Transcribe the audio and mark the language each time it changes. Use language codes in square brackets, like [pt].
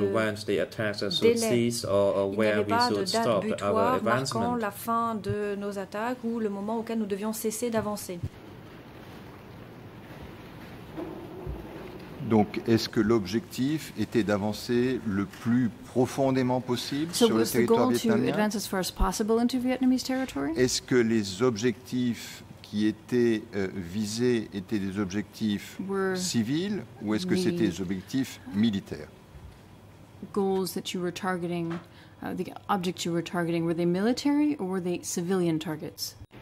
[en] when the attacks should cease or where we should stop our advancement. [fr] Marquant la fin de nos attaques ou le moment auquel nous devions cesser d'avancer. Donc, est-ce que l'objectif était d'avancer le plus profondément possible [en] so [fr] sur le territoire vietnamien? [en] As far as possible into Vietnamese territory? [fr] Est-ce que les objectifs qui étaient visés étaient des objectifs civils ou est-ce que c'était des objectifs militaires? [en] Goals that you were targeting, the objects you were targeting, were they military or were they civilian targets?